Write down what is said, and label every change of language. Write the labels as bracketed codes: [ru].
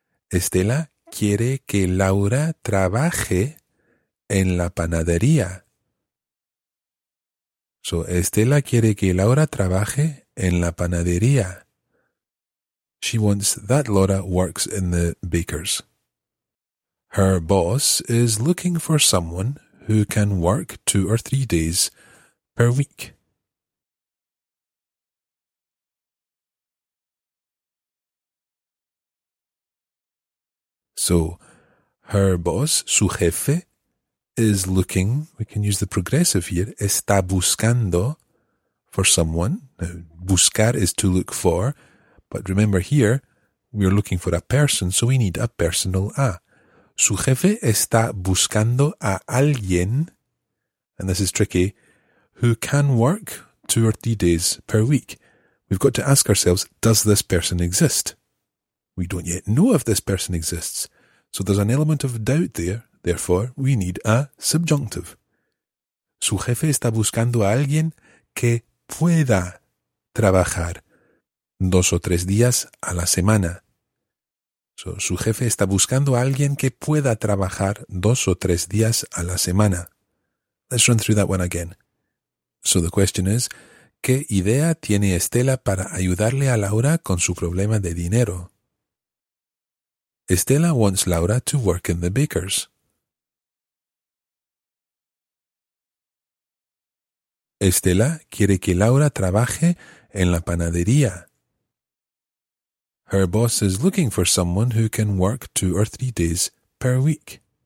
[es] Estela quiere que Laura trabaje en la panadería. So, Estela quiere que Laura trabaje en la panadería. [en] She wants that Laura works in the baker's. Her boss is looking for someone who can work 2 or 3 days per week. So, her boss, [es] su jefe, [en] is looking, we can use the progressive here, [es] está buscando [en] for someone. Now, buscar is to look for, but remember here, we are looking for a person, so we need a personal a. [es] Su jefe está buscando a alguien, [en] and this is tricky, who can work 2 or 3 days per week. We've got to ask ourselves, does this person exist? We don't yet know if this person exists. So there's an element of doubt there, therefore we need a subjunctive. [es] Su jefe está buscando a alguien que pueda trabajar 2 o 3 días a la semana. So, su jefe está buscando a alguien que pueda trabajar 2 o 3 días a la semana. [en] Let's run through that one again. So the question is, [es] ¿qué idea tiene Estela para ayudarle a Laura con su problema de dinero? [en] Estela wants Laura to work in the baker's. [es] Estela quiere que Laura trabaje en la panadería. [en] Her boss is looking for someone who can work 2 or 3 days per week.